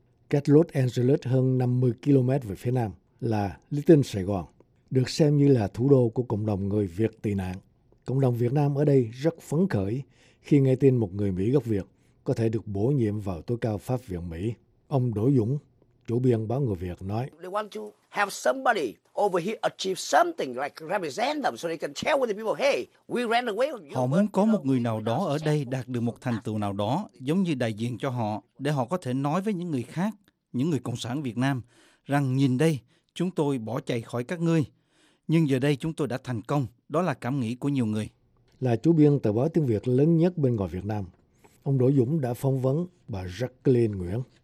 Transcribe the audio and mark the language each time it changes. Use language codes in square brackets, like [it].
[vi] Cách Los Angeles hơn 50 km về phía nam là Little Sài Gòn, được xem như là thủ đô của cộng đồng người Việt tị nạn. Cộng đồng Việt Nam ở đây rất phấn khởi khi nghe tin một người Mỹ gốc Việt có thể được bổ nhiệm vào tối cao Pháp viện Mỹ. Ông Đỗ Dũng, chủ biên báo Người Việt, nói: [en] "They want to have somebody over here achieve something like represent them so they can tell with the people, hey, we ran away." [vi] Họ muốn có một người nào đó ở đây đạt được một thành tựu nào đó giống như đại diện cho họ để họ có thể nói với những người khác, những người cộng sản Việt Nam rằng nhìn đây, chúng tôi bỏ chạy khỏi các ngươi. Nhưng giờ đây chúng tôi đã thành công. Đó là cảm nghĩ của nhiều người. Là chủ biên tờ báo tiếng Việt lớn nhất bên ngoài Việt Nam, ông Đỗ Dũng đã phỏng vấn bà Jacqueline Nguyễn.